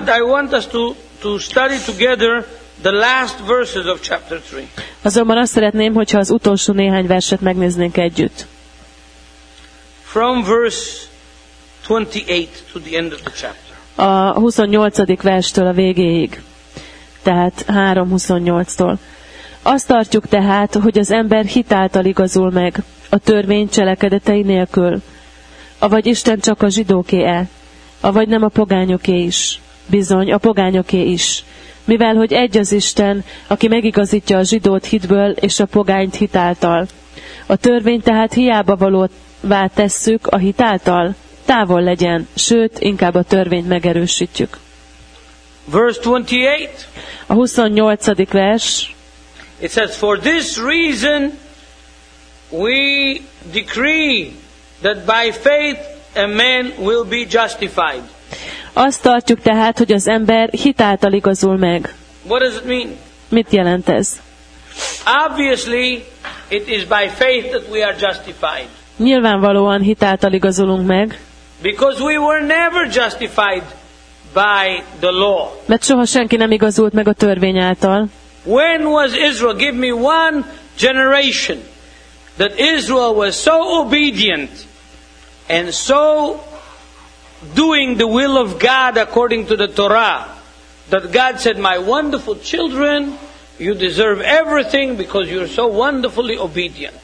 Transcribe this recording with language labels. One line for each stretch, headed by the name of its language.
English: But I want us to study together the last verses of chapter 3.
Hungarian: Azonban azt szeretném, hogyha az utolsó néhány verset megnéznénk együtt.
English: From verse 28 to the end of the chapter.
Hungarian: A 28. verstől a végéig. Tehát 3:28-tól. Azt tartjuk tehát, hogy az ember hitáltal igazul meg, a törvény cselekedetei nélkül. Avagy Isten csak a zsidóké-e, avagy nem a pogányoké is. Bizony, a pogányoké is. Mivel, hogy egy az Isten, aki megigazítja a zsidót hitből és a pogányt hitáltal. A törvény tehát hiába valóvá tesszük a hitáltal. Távol legyen, sőt, inkább a törvényt megerősítjük.
English: Verse 28.
Hungarian: A 28. vers.
English: It says, for this reason we decree that by faith a man will be justified.
Hungarian: Azt tartjuk tehát, hogy az ember hitáltal igazul meg.
English: What does it mean?
Hungarian: Mit jelent ez?
English: Obviously, it is by faith that we are justified.
Hungarian: Nyilvánvalóan hitáltal igazulunk meg.
English: Because we were never justified by the law.
Hungarian: Mert soha senki nem igazult meg a törvény által.
English: When was Israel? Give me one generation that Israel was so obedient and so doing the will of God according to the Torah that God said, my wonderful children, you deserve everything because you're so wonderfully obedient.